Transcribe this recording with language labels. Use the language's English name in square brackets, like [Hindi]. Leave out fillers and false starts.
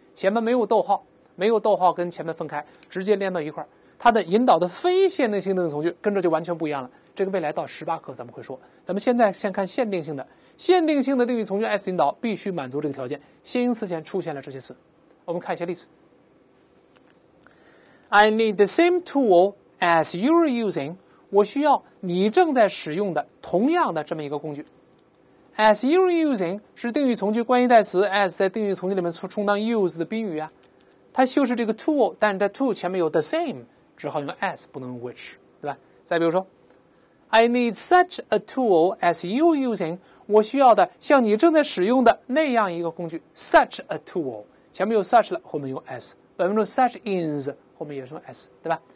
[Chinese] 前面没有逗号，没有逗号跟前面分开，直接连到一块儿，它的引导的非限定性的从句跟着就完全不一样了。这个未来到十八课咱们会说，咱们现在先看限定性的。限定性的定语从句 S 引导必须满足这个条件，先行词前出现了这些词。我们看一些例子。 [English] I need the same tool as you're using. [Chinese] 我需要你正在使用的同样的这么一个工具。 [English] As you're using [Chinese] 是定语从句关系代词 as 在定语从句里面充当 use 的宾语啊，它修饰这个 tool， 但这 tool 前面有 the same， 只好用 as 不能用 which， 对吧？再比如说 [English] I need such a tool as you're using， [Chinese] 我需要的像你正在使用的那样一个工具 [English] such a tool， [Chinese] 前面有 such 了，后面用 as， 本文中 such is 后面也是用 as， 对吧？